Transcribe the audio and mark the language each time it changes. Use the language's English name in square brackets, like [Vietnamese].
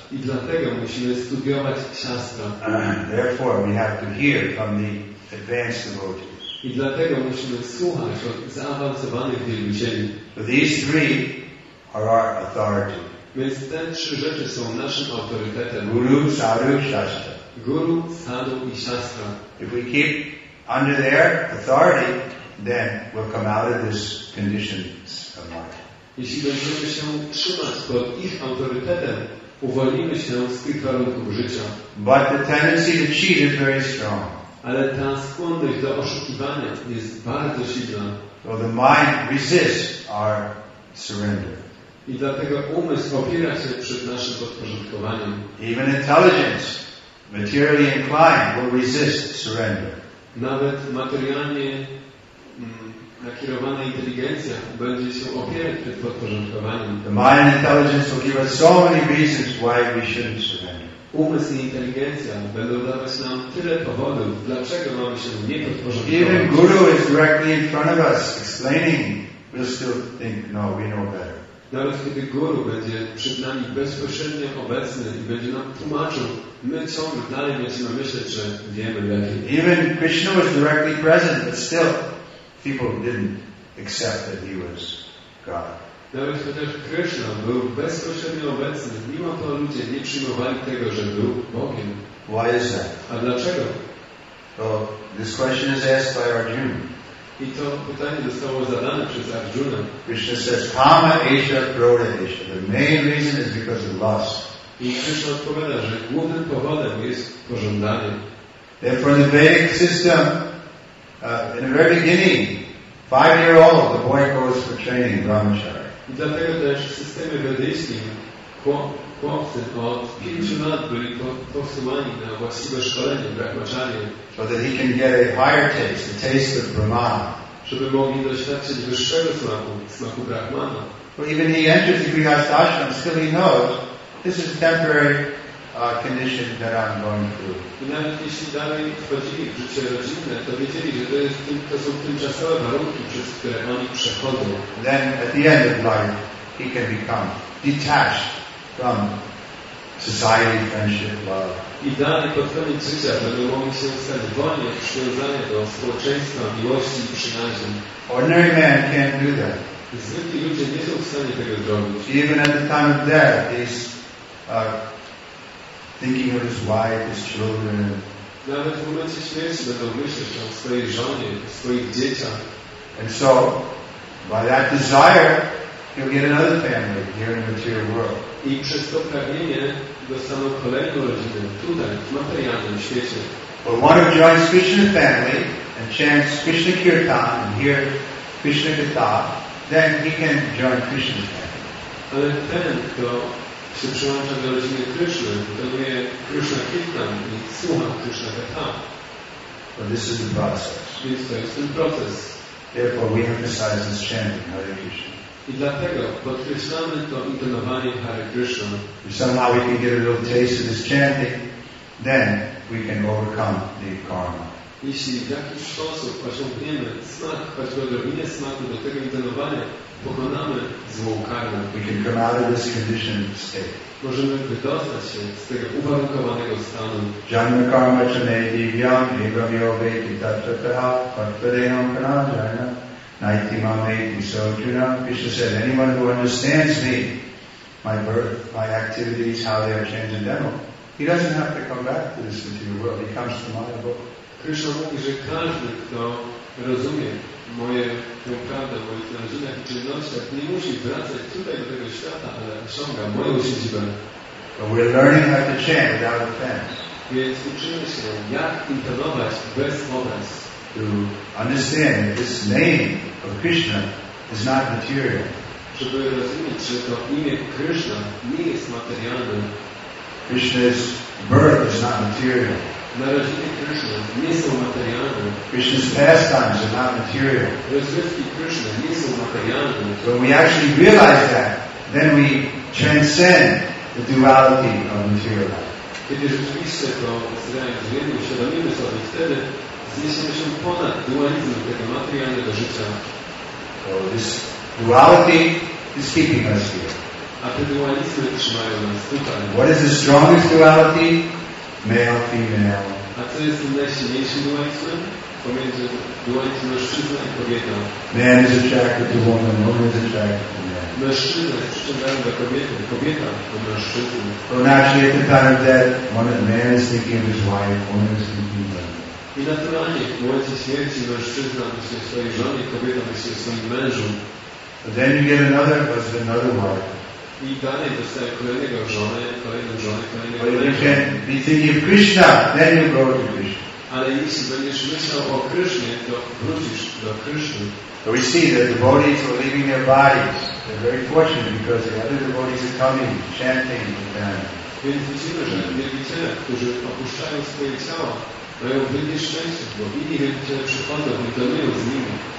[Polish] I dlatego musimy studiować shastra. [English] Therefore, we have to hear from the advanced devotees. [Polish] I dlatego musimy słuchać od zaawansowanych wierzycieli. [English] These three are our authority. [Polish] Więc te trzy rzeczy są naszym autorytetem. [Sanskrit] Guru, sadhu, shastra. [Polish] Guru, sadhu i shastra. [English] If we keep under their authority, then we'll come out of this conditioned of mind. [Polish] Jeśli będziemy się trzymać pod ich autorytetem, uwolnimy się z tych warunków życia. [English] But the tendency to cheat is very strong. [Polish] Ale ta skłonność do oszukiwania jest bardzo silna. [English] So the mind resists our surrender. [Polish] I dlatego umysł opiera się przed naszym podporządkowaniem. [English] Even intelligence, materially inclined, will resist surrender. [Polish] Nawet materialnie nakierowana inteligencja będzie się opierać przed podporządkowaniem. [English] Mind intelligence will give us so many reasons why we shouldn't surrender. [Polish] Umysł i inteligencja będą dawać nam tyle powodów, dlaczego mamy się nie podporządkować. [English] Even Guru is directly in front of us explaining, we'll still think, no, we know better. [Polish] Nawet kiedy Guru będzie przed nami bezpośrednio obecny i będzie nam tłumaczył, my ciągle dalej będziemy myśleć, że wiemy lepiej. [English] Even Krishna was directly present, but still people didn't accept that he was God. [Polish] Nawet chociaż Krishna był bezpośrednio obecny, mimo to ludzie nie przyjmowali tego, że był Bogiem. [English] Why is that? [Polish] A dlaczego? [English] So, this question is asked by Arjuna. [Polish] I to pytanie zostało zadane przez Arjuna. [English] Krishna says, [Sanskrit] Kama Esha Krodha Esha. [English] The main reason is because of lust. [Polish] I Krishna odpowiada, że głównym powodem jest pożądanie. [English] Therefore, the Vedic system, in the very beginning, 5-year-old, the boy goes for training, brahmachari. [Polish] I dlatego też w systemie wedyjskim chłopcy od 5 lat byli posyłani na właściwe szkolenie, brahmachari. [English] So that he can get a higher taste, the taste of Brahman. [Polish] Żeby mogli doświadczyć wyższego smaku, smaku Brahmana. [English] But even he enters the Grihastha ashram, still he knows, this is a temporary condition that I'm going through. [Polish] I nawet jeśli dalej wchodzili w życie rodzinne, to wiedzieli, że to są tymczasowe warunki, przez które oni przechodzą. [English] Then at the end of life, he can become detached from society, friendship, love. [Polish] I dalej pod koniec życia będą mogli się stać wolni od przywiązania do społeczeństwa, miłości i przyjaźni. [English] Ordinary man can't do that. [Polish] Zwykli ludzie nie są w stanie tego zrobić. [English] Even at the time of death, he's thinking of his wife, his children. [Polish] Nawet w momencie śmierci będą myśleć o swojej żonie, o swoich dzieciach. [English] And so, by that desire, he'll get another family here in the material world. [Polish] I przez to pragnienie dostaną kolejną rodzinę tutaj, w materialnym świecie. [English] But one who joins Krishna's family and chants Krishna Kirtan and hear Krishna Katha, then he can join Krishna's family. [Polish] Ale ten, kto się przyłącza do rodziny Krishna, dotonuje Krishna Kirtan i słucha Krishna Katha. [English] But this is the process. [Polish] Więc to jest ten proces. [English] Therefore we emphasize this chanting, Hare Krishna. [Polish] I dlatego podkreślamy to intonowanie Hare Krishna. [English] If somehow we can get a little taste of this chanting, then we can overcome the karma. [Polish] Jeśli w jakiś sposób osiągniemy smak, choćby odrobinę smaku do tego intonowania, pokonamy złą karmę. [English] We can come out of this conditioned state. [Polish] Możemy wydostać się z tego uwarunkowanego stanu. [Sanskrit] Janma karma chanei divyam, evam yogeti tatvataha, patpadeyam kanajana. Naiti mameti sojuna. [English] Krishna said, anyone who understands me, my birth, my activities, how they are transcendental, he doesn't have to come back to this material world. He comes to my book. [Polish] Krishna mówi, że każdy, kto rozumie moje tę prawdę, moich narodzinach i czynnościach, nie musi wracać tutaj do tego świata, ale osiąga moją siedzibę. [English] But we're learning how to chant without offense. [Polish] Więc uczymy się, jak intonować bez obraz. [English] To understand that this name of Krishna is not material. [Polish] Żeby rozumieć, że to imię Krishna nie jest materialne. [English] Krishna's birth is not material. [Polish] Narodziny Krishna nie są materialne. [English] Krishna's pastimes are not material. [Polish] Rozrywki Krishna nie są materialne. [English] When we actually realize that, then we transcend the duality of material life. [Polish] Kiedy rzeczywiście to zrealizujemy, uświadomimy sobie wtedy, zniesiemy się ponad dualizm tego materialnego życia. [English] So this duality is keeping us here. [Polish] A te dualizmy trzymają nas tutaj. [English] What is the strongest duality? Male, female. [Polish] A co jest najsilniejszy dualizm? Pomiędzy dualizm mężczyzna i kobieta. [English] Man is attracted to woman, woman is attracted to man. [Polish] Mężczyzna jest przyciągany do kobiety, kobieta do mężczyzny. [English] So naturally at the time of death, one of the man is thinking of his wife, woman is thinking of him. [Polish] I naturalnie, w momencie śmierci mężczyzna myśli o swojej żonie, kobieta myśli o swoim mężu. [English] And then you get another, but it's another wife. [Polish] I dalej dostaje kolejnego żonę, kolejną żonę, kolejnego mężu. [English] But you can be thinking of Krishna, then you go to Krishna. [Polish] Ale jeśli będziesz myślał o Krishnie, to wrócisz do Krishna. [English] So we see that the devotees are leaving their bodies. They're very fortunate because the other devotees are coming, chanting with them. [Polish] Więc widzimy, że niewidzialni, którzy opuszczają swoje ciało, mają wielkie szczęście, bo inni wielbiciele przychodzą, wykonują z nimi.